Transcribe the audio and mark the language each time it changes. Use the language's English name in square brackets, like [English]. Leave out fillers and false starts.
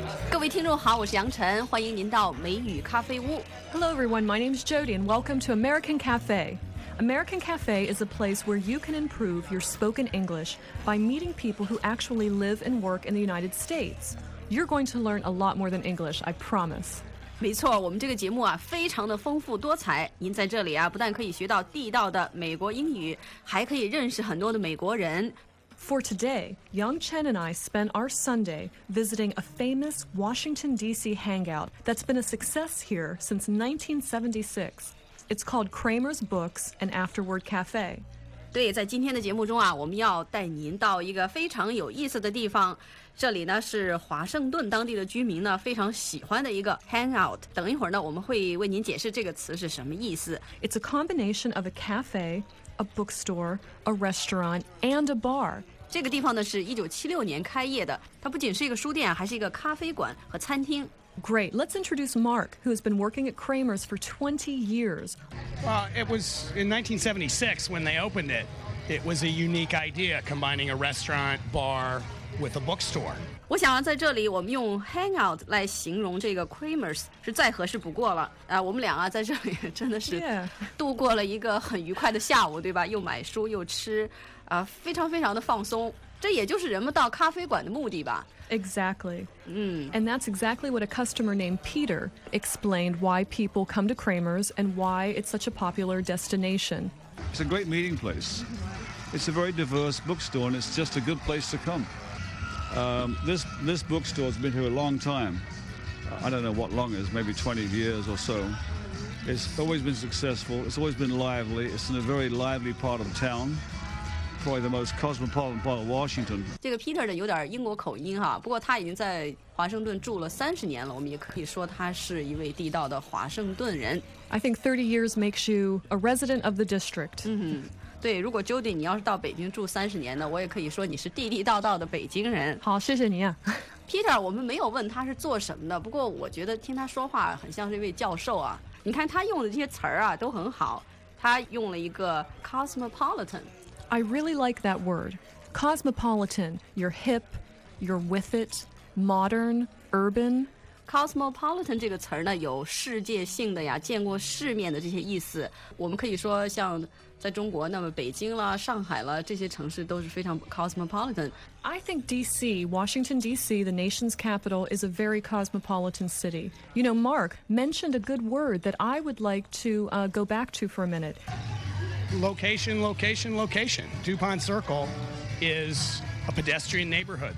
[Chinese] 各位听众好，我是杨晨，欢迎您到美语咖啡屋。 [English] Hello everyone, my name is Jody and welcome to American Cafe. American Cafe is a place where you can improve your spoken English by meeting people who actually live and work in the United States. You're going to learn a lot more than English, I promise. [Chinese] 没错，我们这个节目啊，非常的丰富多彩。您在这里啊，不但可以学到地道的美国英语，还可以认识很多的美国人。 [English] For today, Yang Chen and I spent our Sunday visiting a famous Washington, D.C. hangout that's been a success here since 1976. It's called Kramer's Books and Afterword Cafe. [Chinese] 对，在今天的节目中啊，我们要带您到一个非常有意思的地方。这里呢是华盛顿当地的居民呢非常喜欢的一个 hangout。等一会儿呢，我们会为您解释这个词是什么意思。 [English] It's a combination of a cafe, a bookstore, a restaurant, and a bar. [Chinese] 这个地方呢是1976年开业的，它不仅是一个书店，还是一个咖啡馆和餐厅。 [English] Great. Let's introduce Mark, who has been working at Kramer's for 20 years. Well, it was in 1976 when they opened it. It was a unique idea, combining a restaurant, bar, with a bookstore. [Chinese] 我想在这里我们用 hangout 来形容这个 Kramer's 是再合适不过了。我们俩啊在这里真的是度过了一个很愉快的下午，对吧？又买书又吃，非常非常的放松。这也就是人们到咖啡馆的目的吧。 [English] Exactly. And that's exactly what a customer named Peter explained why people come to Kramer's and why it's such a popular destination. It's a great meeting place. It's a very diverse bookstore and it's just a good place to come. This bookstore has been here a long time. I don't know what long is, maybe 20 years or so. It's always been successful. It's always been lively. It's in a very lively part of the town. Probably the most cosmopolitan part of Washington. [Chinese] 这个 Peter 有点英国口音哈，不过他已经在华盛顿住了三十年了，我们也可以说他是一位地道的华盛顿人。 [English] I think 30 years makes you a resident of the district. [Chinese] 对，如果 Jody 你要是到北京住三十年呢，我也可以说你是地地道道的北京人。好，谢谢你啊。 Peter， 我们没有问他是做什么的，不过我觉得听他说话很像是一位教授啊。你看他用的这些词儿啊都很好，他用了一个 cosmopolitan。 [English] I really like that word. Cosmopolitan, you're hip, you're with it, modern, urban. [Chinese] Cosmopolitan 这个词呢有世界性的呀，见过世面的这些意思。我们可以说像在中国，那么北京啦、上海啦，这些城市都是非常 cosmopolitan. [English] I think D.C., Washington, D.C., the nation's capital, is a very cosmopolitan city. You know, Mark mentioned a good word that I would like to go back to for a minute. Location, location, location. DuPont Circle is a pedestrian neighborhood.